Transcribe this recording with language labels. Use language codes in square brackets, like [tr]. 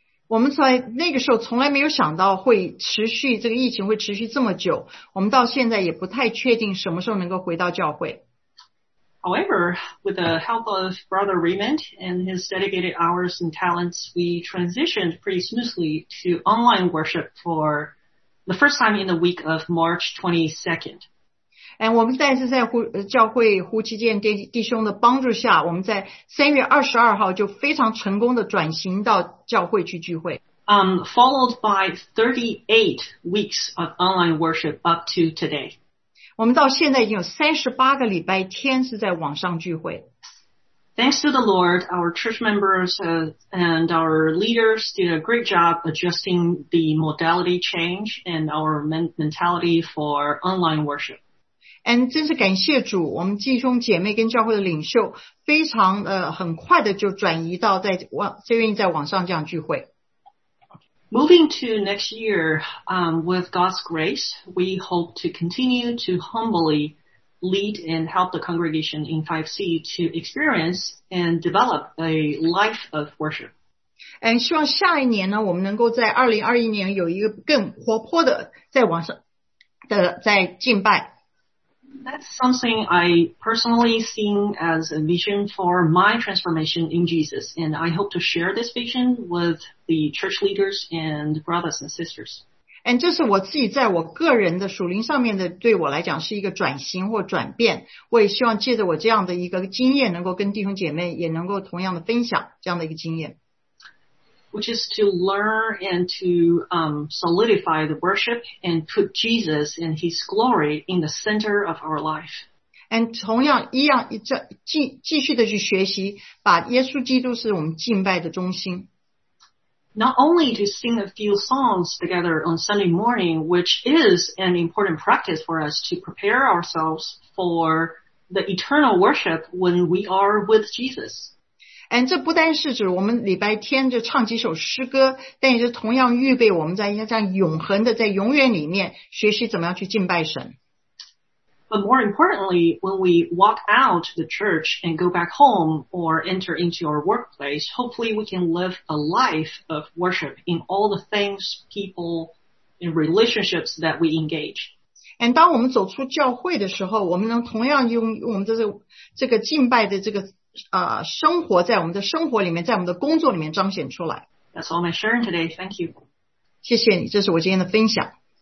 [zh] 我们在那个时候从来没有想到会持续这个疫情会持续这么久。我们到现在也不太确定什么时候能够回到教会。 [en] However, with the help of Brother Raymond and his dedicated hours and talents, we transitioned pretty smoothly to online worship for the first time in the week of March 22nd. [zh] And 我们再次在教会胡其健弟兄的帮助下我们在3月22号就非常成功的转型到教会去聚会。 [en] Followed by 38 weeks of online worship up to today. [zh] 我们到现在已经有38个礼拜天是在网上聚会。 [en] Thanks to the Lord, our church members and our leaders did a great job adjusting the modality change and our mentality for online worship. [zh] And 真是感谢主我们弟兄姐妹跟教会的领袖非常很快的就转移到在这边在网上这样聚会。 [en] Moving to next year, with God's grace, we hope to continue to humbly lead and help the congregation in 5C to experience and develop a life of worship. [zh] And 希望下一年呢我们能够在2021年有一个更活泼的在网上的在敬拜。 [en] That's something I personally seen as a vision for my transformation in Jesus, and I hope to share this vision with the church leaders and brothers and sisters. [zh] And 这是我自己在我个人的属灵上面的，对我来讲是一个转型或转变。我也希望借着我这样的一个经验，能够跟弟兄姐妹也能够同样的分享这样的一个经验。 [en] Which is to learn and to solidify the worship and put Jesus and His glory in the center of our life. [zh] And 同样一样继续的去学习把耶稣基督是我们敬拜的中心。 [en] Not only to sing a few songs together on Sunday morning, which is an important practice for us to prepare ourselves for the eternal worship when we are with Jesus. [zh] And 这不单是指我们礼拜天就唱几首诗歌，但也是同样预备我们在这样永恒的在永远里面学习怎么样去敬拜神。 [en] But more importantly, when we walk out the church and go back home or enter into our workplace, hopefully we can live a life of worship in all the things, people, and relationships that we engage. [zh] And 当我们走出教会的时候，我们能同样用我们的这个敬拜的这个生活在我们的生活里面，在我们的工作里面彰显出来。 [en] That's all my sharing today. Thank you. [zh] 谢谢你，这是我今天的分享。